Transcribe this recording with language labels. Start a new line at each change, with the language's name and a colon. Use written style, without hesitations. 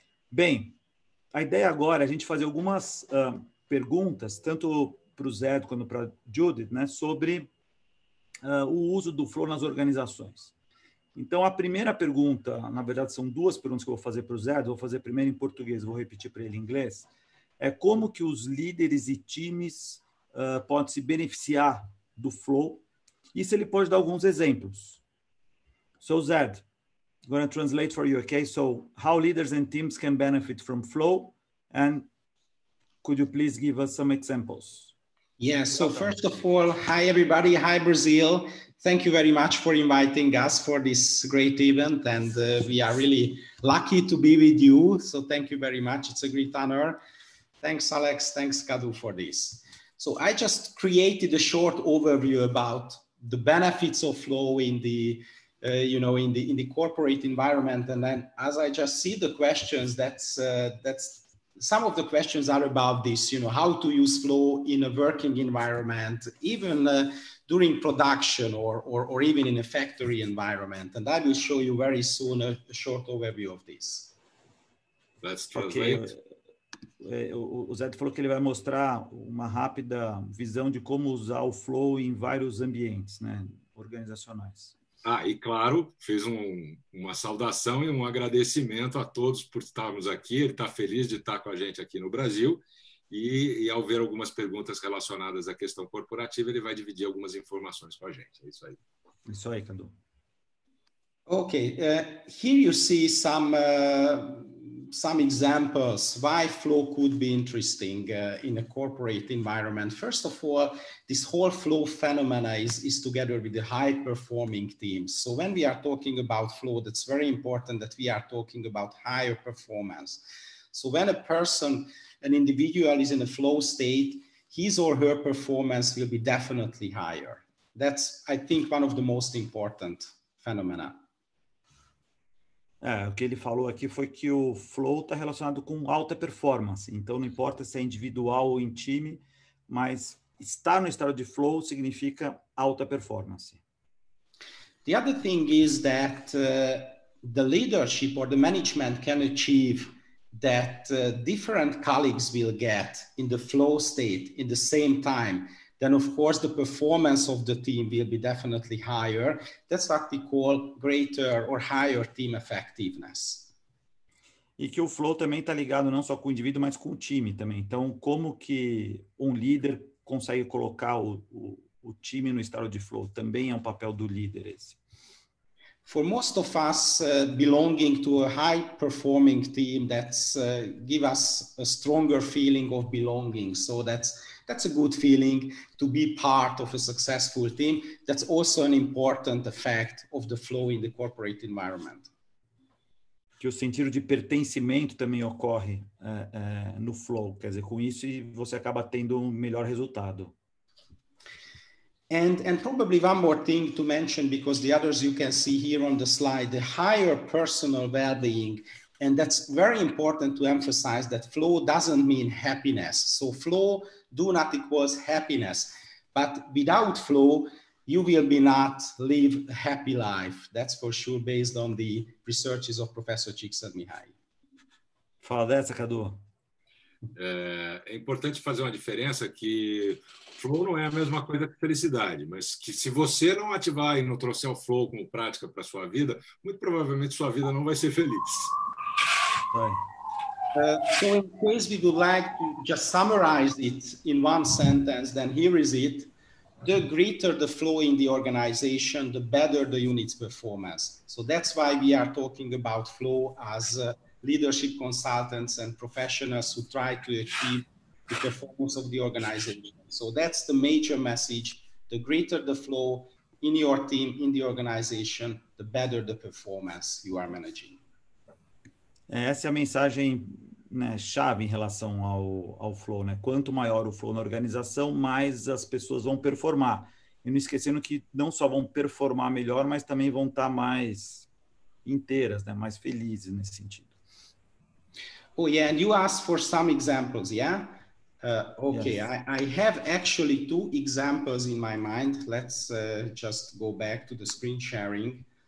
Portuguese: Bem, a ideia agora é a gente fazer algumas perguntas, tanto para o Zé quanto para a Judith, né, sobre o uso do flow nas organizações. Então, a primeira pergunta, na verdade, são duas perguntas que eu vou fazer para o Zé, vou fazer primeiro em português, vou repetir para ele em inglês. É como que os líderes e times podem se beneficiar do flow? E se ele pode dar alguns exemplos?
English: So, Zed, I'm going to translate for you, okay? So, how leaders and teams can benefit from flow? And could you please give us some examples? Yes, so first of all, hi everybody, hi Brazil. Thank you very much for inviting us for this great event. And we are really lucky to be with you. So, thank you very much. It's a great honor. Thanks, Alex. Thanks, Cadu, for this. So I just created a short overview about the benefits of flow in the, in the corporate environment. And then, as I just see the questions, that's some of the questions are about this. You know, how to use flow in a working environment, even during production or even in a factory environment. And I will show you very soon a short overview of this. Let's translate. Okay.
Portuguese: O Zé falou que ele vai mostrar uma rápida visão de como usar o flow em vários ambientes, né, organizacionais. Ah, e claro, fez uma saudação e um agradecimento a todos por estarmos aqui. Ele está feliz de estar com a gente aqui no Brasil. E ao ver algumas perguntas relacionadas à questão corporativa, ele vai dividir algumas informações com a gente. É isso aí. Isso aí, Cadu.
English: Okay, here you see some... some examples why flow could be interesting in a corporate environment. First of all, this whole flow phenomena is together with the high performing teams. So when we are talking about flow, that's very important that we are talking about higher performance. So when a person, an individual is in a flow state, his or her performance will be definitely higher. That's, I think, one of the most important phenomena.
Portuguese: É, o que ele falou aqui foi que o flow está relacionado com alta performance. Então, não importa se é individual ou em time, mas estar no estado de flow significa alta performance.
English: The other thing is that the leadership or the management can achieve that different colleagues will get in the flow state in the same time. Then, of course, the performance of the team will be definitely higher. That's what we call greater or higher team effectiveness.
Portuguese: E que o flow também está ligado não só com o indivíduo, mas com o time também. Então, como que um líder consegue colocar o time no estado de flow? Também é um papel do líder esse.
English: For most of us belonging to a high performing team, that's give us a stronger feeling of belonging. So that's a good feeling to be part of a successful team. That's also an important effect of the flow in the corporate environment.
Portuguese: Que o sentido de pertencimento também ocorre no flow. Quer dizer, com isso você acaba tendo um melhor resultado.
English: And probably one more thing to mention, because the others you can see here on the slide, the higher personal well-being. And that's very important to emphasize that flow doesn't mean happiness. So flow do not equals happiness. But without flow, you will be not live a happy life. That's for sure, based on the researches of Professor Csikszentmihalyi.
Portuguese: Fala dessa, Cadu. É importante fazer uma diferença que flow não é a mesma coisa que felicidade, mas que se você não ativar e não trouxer o flow como prática para a sua vida, muito provavelmente sua vida não vai ser feliz.
English: So in case we would like to just summarize it in one sentence, then here is it. The greater the flow in the organization, the better the unit's performance. So that's why we are talking about flow as leadership consultants and professionals who try to achieve the performance of the organization. So that's the major message. The greater the flow in your team, in the organization, the better the performance you are managing.
Portuguese: Essa é a mensagem, né, chave em relação ao flow, né? Quanto maior o flow na organização, mais as pessoas vão performar. E não esquecendo que não só vão performar melhor, mas também vão estar mais inteiras, né, mais felizes nesse sentido.
English: Oh, yeah, and you asked for some examples, yeah? Okay, yes. I have actually two examples in my mind. Let's just go back to the screen sharing.